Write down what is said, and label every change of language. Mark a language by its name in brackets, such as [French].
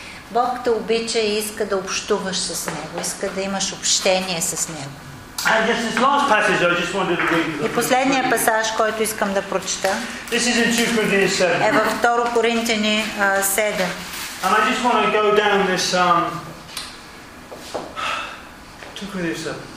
[Bulgarian] Бог те обича и иска да общуваш с Него, иска да имаш общение с Него. [English] And just this last passage, I just wanted to read. [Bulgarian] И последния пасаж, който искам да прочета. [English] This is in 2 Corinthians 7. [Bulgarian] Е във 2 Коринтяни 7. [English] And I just want to go down this 2 Corinthians 7.